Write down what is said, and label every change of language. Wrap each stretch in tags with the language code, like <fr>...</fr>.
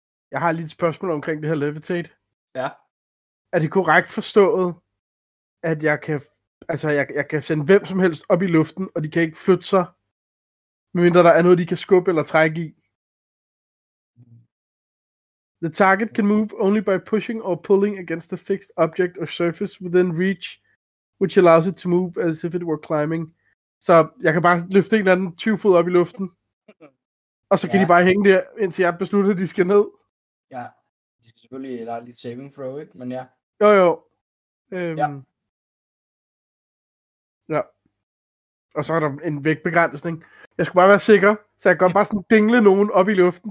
<da>Jeg har lige et spørgsmål omkring det her levitate. Ja. Er det korrekt forstået, at jeg kan... Altså, jeg kan sende hvem som helst op i luften, og de kan ikke flytte sig, medmindre der er noget, de kan skubbe eller trække i.</da> <en>The target can move only by pushing or pulling against a fixed object or surface within reach, which allows it to move as if it were climbing.</en> <da>Så jeg kan bare løfte en eller anden 20 fod op i luften, og så kan de bare hænge der, indtil jeg beslutter, at de skal ned. Ja, de skal selvfølgelig lade lidt saving throw, ikke? Men ja. Jo. Ja. Ja, og så er der en vægtbegrænsning. Jeg skulle bare være sikker, så jeg kan bare sådan dingle nogen op i luften.</da>